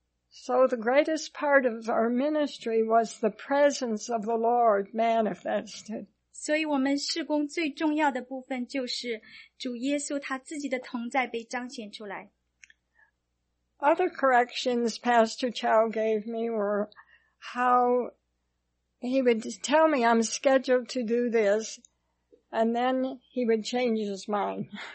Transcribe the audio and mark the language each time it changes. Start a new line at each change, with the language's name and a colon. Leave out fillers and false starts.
English: So the greatest part of our ministry was the presence of the Lord manifested.
Chinese: 所以我们事工最重要的部分就是主耶稣他自己的同在被彰显出来。
English: Other corrections Pastor Chow gave me were how he would tell me I'm scheduled to do this, and then he would change his mind.